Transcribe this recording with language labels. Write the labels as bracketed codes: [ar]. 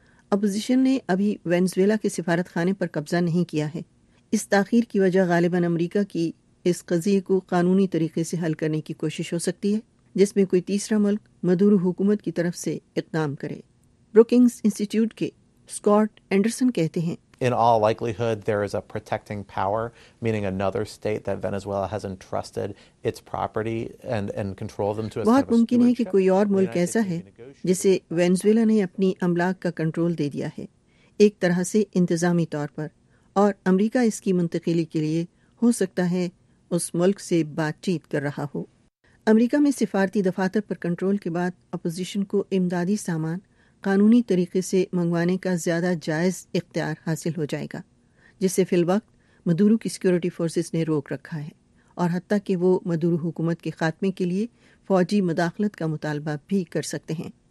[ur] Opposition نے ابھی Venezuela کے سفارت خانے پر قبضہ نہیں کیا ہے. اس تاخیر کی وجہ غالباً امریکہ کی اس قضیے کو قانونی طریقے سے حل کرنے کی کوشش ہو سکتی ہے, جس میں کوئی تیسرا ملک مادورو حکومت کی طرف سے اقدام کرے. بروکنگز انسٹیٹیوٹ کے اسکاٹ اینڈرسن کہتے ہیں, [en] In all likelihood, there is a protecting power, meaning another state that Venezuela has entrusted its property and control them to a [ur] بہت ممکن ہے کہ کوئی اور ملک ایسا ہے جسے وینزویلا نے اپنی املاک کا کنٹرول دے دیا ہے, ایک طرح سے انتظامی طور پر, اور امریکہ اس کی منتقلی کے لیے ہو سکتا ہے اس ملک سے بات چیت کر رہا ہو. امریکہ میں سفارتی دفاتر پر کنٹرول کے بعد اپوزیشن کو امدادی سامان قانونی طریقے سے منگوانے کا زیادہ جائز اختیار حاصل ہو جائے گا, جسے فی الوقت مادورو کی سیکیورٹی فورسز نے روک رکھا ہے, اور حتیٰ کہ وہ مادورو حکومت کے خاتمے کے لیے فوجی مداخلت کا مطالبہ بھی کر سکتے ہیں.